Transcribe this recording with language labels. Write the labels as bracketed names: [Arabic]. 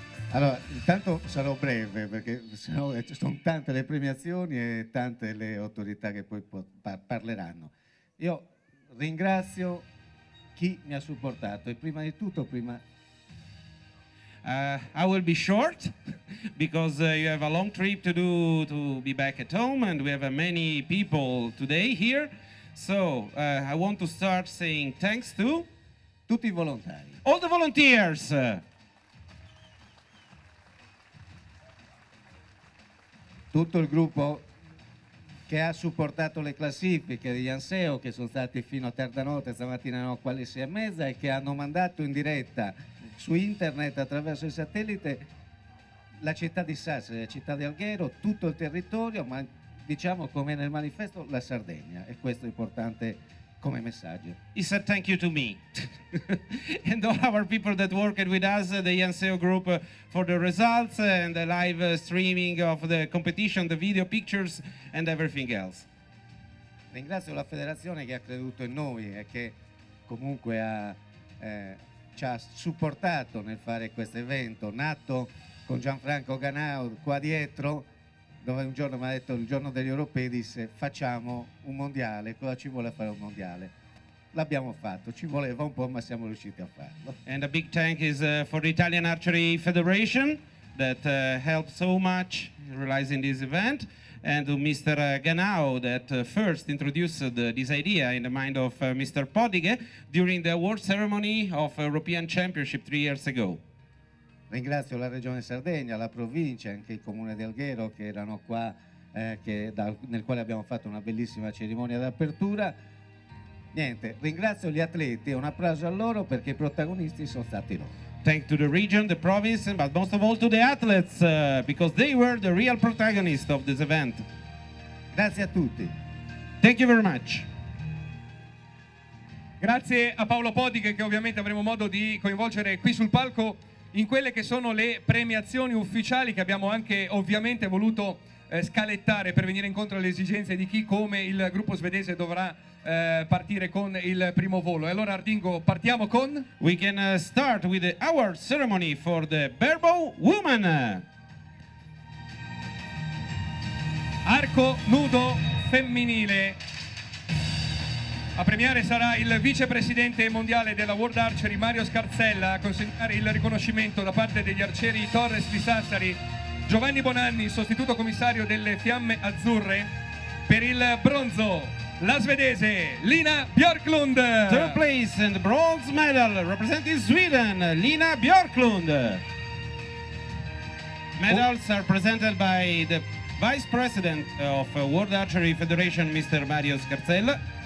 [Italian] Allora, intanto sarò breve perché sennò sono tante le premiazioni e tante le autorità che poi parleranno. Io ringrazio chi mi ha supportato e prima di tutto [English] I will be short because you have a long trip to do to be back at home and we have many people today here, so I want to start saying thanks to [Italian] tutti i volontari, [English] all the volunteers, [Italian] tutto il gruppo che ha supportato le classifiche di Ianseo, che sono stati fino a tarda notte, stamattina no, quale sia mezza, e che hanno mandato in diretta su internet attraverso il satellite la città di Sassari, la città di Alghero, tutto il territorio, ma diciamo, come nel manifesto, la Sardegna, e questo è importante come messaggio. [English] He said thank you to me and all our people that worked with us, the Ianseo group, for the results and the live streaming of the competition, the video pictures and everything else. [Italian] Ringrazio la federazione che ha creduto in noi e che comunque ha ci ha supportato nel fare questo evento, nato con Gianfranco Ganao qua dietro, dove un giorno mi ha detto, il giorno degli europei, disse: facciamo un mondiale, cosa ci vuole fare un mondiale? L'abbiamo fatto, ci voleva un po', ma siamo riusciti a farlo. [English] And a big thank is for the Italian Archery Federation that helped so much in realizing this event, and Mr. Ganao that first introduced this idea in the mind of Mr. Podige during the award ceremony of European Championship 3 years ago. [Italian] Ringrazio la Regione Sardegna, la provincia, anche il Comune di Alghero che erano qua, nel quale abbiamo fatto una bellissima cerimonia d'apertura. Niente, ringrazio gli atleti e un applauso a loro perché i protagonisti sono stati loro. [English] Thank to the region, the province, but most of all to the athletes, because they were the real protagonists of this event. [Italian] Grazie a tutti. [English] Thank you very much. [Italian] Grazie a Paolo Podiche, che ovviamente avremo modo di coinvolgere qui sul palco in quelle che sono le premiazioni ufficiali che abbiamo anche ovviamente voluto scalettare per venire incontro alle esigenze di chi, come il gruppo svedese, dovrà partire con il primo volo. E allora, Ardingo, partiamo con... [English] We can start with the award ceremony for the Barebow Woman. [Italian] Arco nudo femminile. A premiare sarà il vicepresidente mondiale della World Archery, Mario Scarzella, a consegnare il riconoscimento da parte degli arcieri Torres di Sassari, Giovanni Bonanni, sostituto commissario delle Fiamme Azzurre. Per il bronzo, la svedese Lina Björklund. [English] Third place and bronze medal representing Sweden, Lina Björklund. Medals are presented by the vice president of World Archery Federation, Mr. Mario Scarzella.